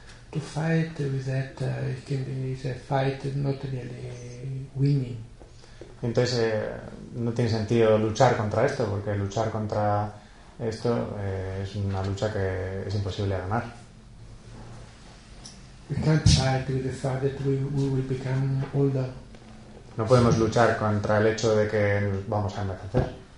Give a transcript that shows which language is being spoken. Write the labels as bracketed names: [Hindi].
[English] To fight with that, it can be a fight not really winning. [Spanish] Entonces, no tiene sentido luchar contra esto, porque luchar contra esto es una lucha que es imposible ganar. [English] We can't fight with the fact that we will become older. [Spanish] No podemos luchar contra el hecho de que vamos a envejecer.